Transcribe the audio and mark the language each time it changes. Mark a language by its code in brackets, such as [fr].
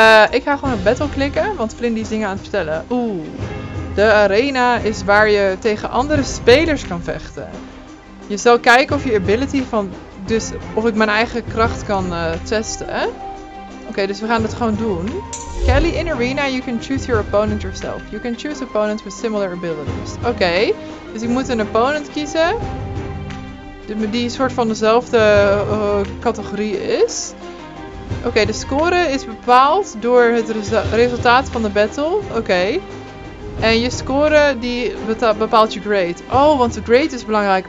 [nl] Ik ga gewoon op battle klikken, want Flynn die is dingen aan het vertellen. Oeh, de arena is waar je tegen andere spelers kan vechten. Je zal kijken of je ability van... Dus of ik mijn eigen kracht kan testen. Oké, dus we gaan het gewoon doen. [en] Kelly, in arena you can choose your opponent yourself. You can choose opponents with similar abilities. [nl] Oké, dus ik moet een opponent kiezen. Die een soort van dezelfde categorie is. Oké, de score is bepaald door het resultaat van de battle. Oké. En je score die bepaalt je grade. Oh, want de grade is belangrijk.